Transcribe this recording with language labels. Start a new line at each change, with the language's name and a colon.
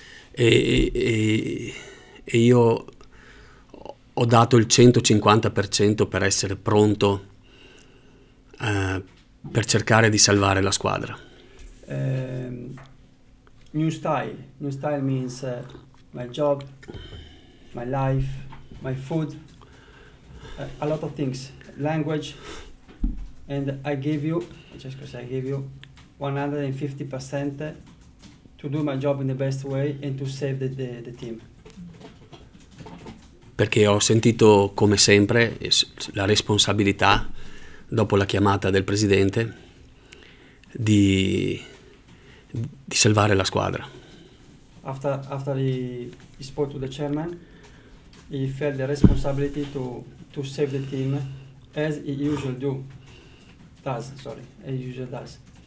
Italian: E io ho dato il 150% per essere pronto per cercare di salvare la squadra.
English: New style means my job, my life, my food, a lot of things, language, and I gave you 150% to do my job in the best way and to save the team.
Italian: Perché ho sentito, come sempre, la responsabilità, dopo la chiamata del presidente, di salvare la squadra.
English: After he spoke to the chairman, he felt the responsibility to save the team, as he usually does.